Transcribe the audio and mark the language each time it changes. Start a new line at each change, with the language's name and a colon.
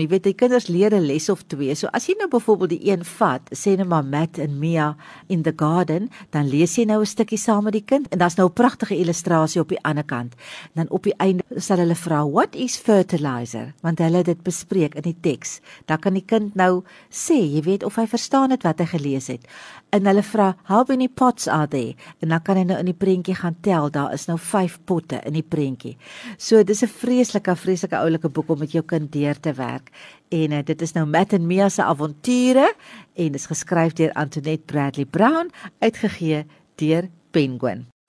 Afrikaans: Jy weet, die kinders leer 'n les of twee. So, as jy nou byvoorbeeld die een vat, sê nou maar Matt and Mia in the Garden, dan lees jy nou 'n stukkie saam met die kind, en daar's nou 'n pragtige illustrasie op die ander kant. Dan op die einde sal hulle vra,
English: what is fertilizer?
Afrikaans: Want hulle dit bespreek in die teks. Dan kan die kind nou sê, jy weet, of hy verstaan het wat hy gelees het. En hulle vra,
English: how many pots are there?
Afrikaans: En dan kan hy nou in die prentjie gaan tel, daar is nou 5 potte in die prentjie. So, dis 'n vreeslike oulike boek om met jou kind deur te werk. En dit is nou Matt en Mia se avonture, en is geskryf deur Antoinette Bradley Brown, uitgegee deur Penguin.